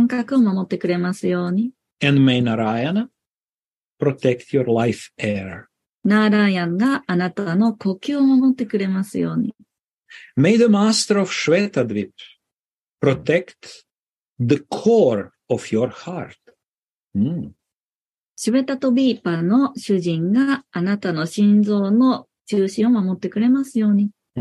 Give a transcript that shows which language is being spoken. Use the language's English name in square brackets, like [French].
[Japanese] プリシケーシャがあなたの感覚を守ってくれますように。 [English] And may Narayana protect your life air. [Japanese] ナーライアンがあなたの呼吸を守ってくれますように。 [English] May the master of Shvetadvip protect the core of your heart. [Japanese] シュベタトビーパの主人があなたの心臓の中心を守ってくれますように。